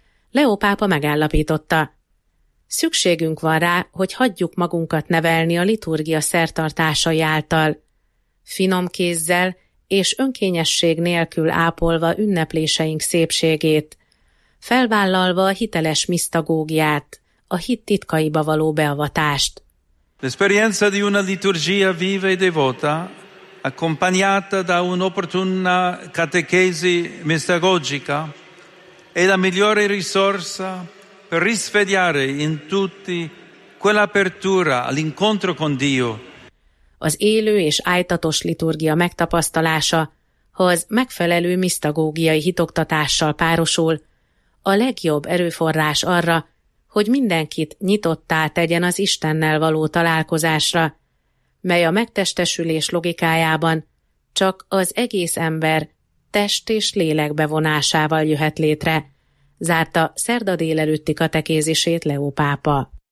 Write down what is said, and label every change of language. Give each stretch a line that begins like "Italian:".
Hungarian: Leó pápa megállapította, szükségünk van rá, hogy hagyjuk magunkat nevelni a liturgia szertartásai által, finom kézzel és önkényesség nélkül ápolva ünnepléseink szépségét, felvállalva a hiteles misztagógiát, a hit titkaiba való beavatást.
Italian: L'esperienza di una liturgia viva e devota, accompagnata da un'opportuna catechesi mistagogica, è la migliore risorsa per risvegliare in tutti quell'apertura all'incontro con Dio.
Hungarian: Az élő és ájtatos liturgia megtapasztalása, ha az megfelelő misztagógiai hitoktatással párosul, a legjobb erőforrás arra, hogy mindenkit nyitottá tegyen az Istennel való találkozásra, mely a megtestesülés logikájában csak az egész ember test és lélek bevonásával jöhet létre, zárta szerda délelőtti katekézisét Leó pápa.